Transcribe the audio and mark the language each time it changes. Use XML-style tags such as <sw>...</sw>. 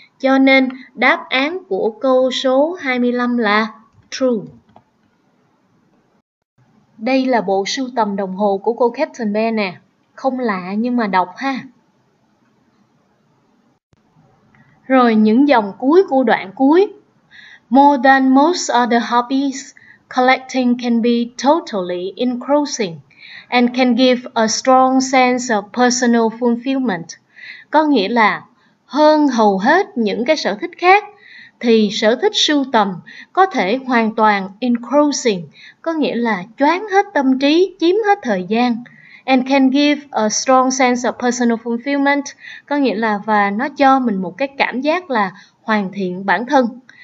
<vi>Cho nên đáp án của câu số 25 là true. Đây là bộ sưu tầm đồng hồ của cô Captain Bear nè. Không lạ nhưng mà đọc ha. Rồi những dòng cuối của đoạn cuối.</vi> <en>More than most other hobbies, collecting can be totally engrossing and can give a strong sense of personal fulfillment.</en> <vi>Có nghĩa là hơn hầu hết những cái sở thích khác, thì sở thích sưu tầm có thể hoàn toàn engrossing, có nghĩa là choáng hết tâm trí, chiếm hết thời gian.</vi> <en>And can give a strong sense of personal fulfillment,</en> <vi>có nghĩa là và nó cho mình một cái cảm giác là hoàn thiện bản thân.</vi>